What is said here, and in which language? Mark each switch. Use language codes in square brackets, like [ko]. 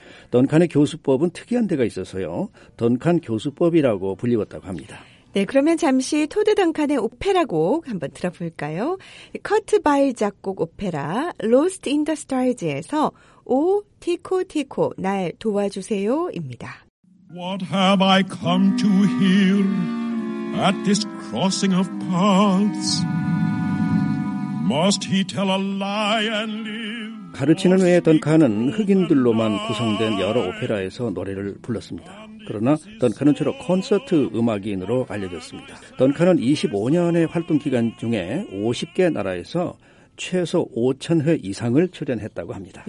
[ko] 던칸의 교수법은 특이한 데가 있어서요. 던칸 교수법이라고 불리웠다고 합니다. 네, 그러면 잠시 토드 던칸의 오페라 곡 한번 들어볼까요? 커트 바일 작곡 오페라 Lost in the Stars에서 오 티코 티코 날 도와주세요 입니다. [en] What have I come to hear at this crossing of paths? Must he tell a lie and live? [ko] 가르치는 외에 던칸은 흑인들로만 구성된 여러 오페라에서 노래를 불렀습니다. 그러나 던칸은 주로 콘서트 음악인으로 알려졌습니다. 던칸은 25년의 활동 기간 중에 50개 나라에서 최소 5,000회 이상을 출연했다고 합니다.